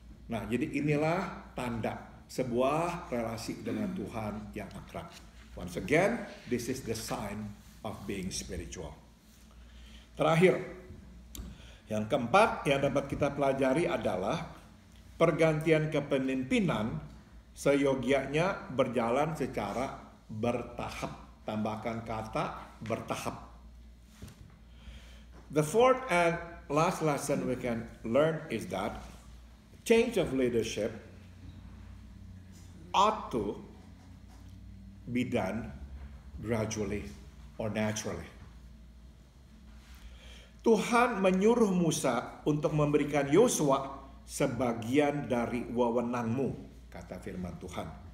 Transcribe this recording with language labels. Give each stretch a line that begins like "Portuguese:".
Indonesian: Nah, jadi inilah tanda sebuah relasi dengan Tuhan yang akrab.
English: Once again, this is the sign of being spiritual.
Indonesian: Terakhir, yang keempat yang dapat kita pelajari adalah pergantian kepemimpinan seyogianya berjalan secara bertahap. Tambahkan kata bertahap.
English: The fourth and last lesson we can learn is that change of leadership ought to be done gradually or naturally.
Indonesian: Tuhan menyuruh Musa untuk memberikan Yosua sebagian dari wewenangmu, kata firman Tuhan.